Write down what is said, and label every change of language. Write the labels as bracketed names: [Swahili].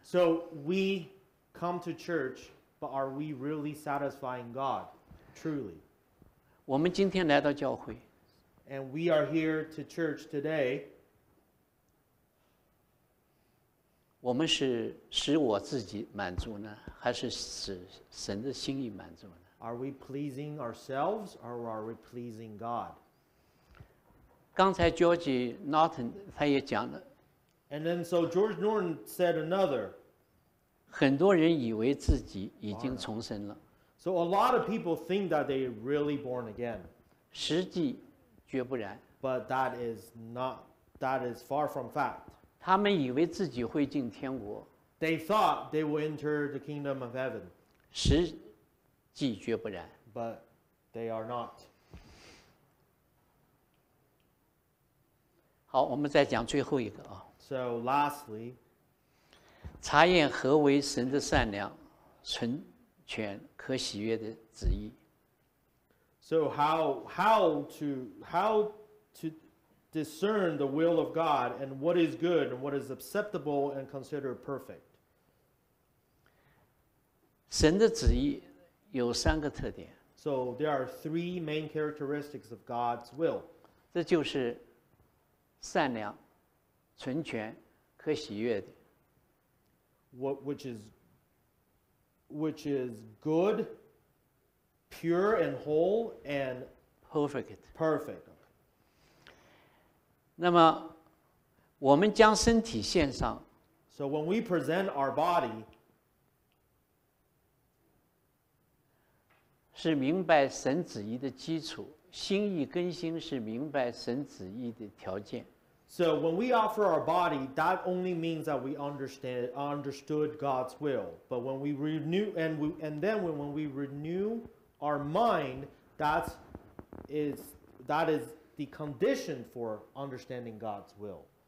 [English] So we come to church, but are we really satisfying God, truly? [Chinese] 我们今天来到教会。 [English] And we are here to church today. [Chinese] 我们是使我自己满足呢，还是使神的心意满足呢？ [English] Are we pleasing ourselves or are we pleasing God? [Chinese] 刚才 George Norton 他也讲了。 [English] And then so George Norton said another. [Chinese] 很多人以为自己已经重生了。 [English] So a lot of people think that they really born again. [Chinese] 实际绝不然。 [English] But that is not, that is far from fact. [Chinese] 他们以为自己会进天国。 [English] They thought they would enter the kingdom of heaven. [Chinese] 实际绝不然。 [English] But they are not. [Chinese] 好，我们再讲最后一个啊。 [English] So lastly, [Chinese] 查验何为神的善良、纯全、可喜悦的旨意。 [English] So how to discern the will of God and what is good and what is acceptable and considered perfect? [Chinese] 神的旨意有三个特点。 [English] So there are three main characteristics of God's will. [Chinese] 这就是。善良、纯全、可喜悦的。 [English] What which is good, pure and whole and perfect. Perfect. [Chinese] 那么，我们将身体献上。 So when we present our body, 是明白神旨意的基础。心意更新是明白神旨意的条件。 [English] So when we offer our body, that only means that we understood God's will. But when we renew, and then when we renew our mind, that is the condition for understanding God's will.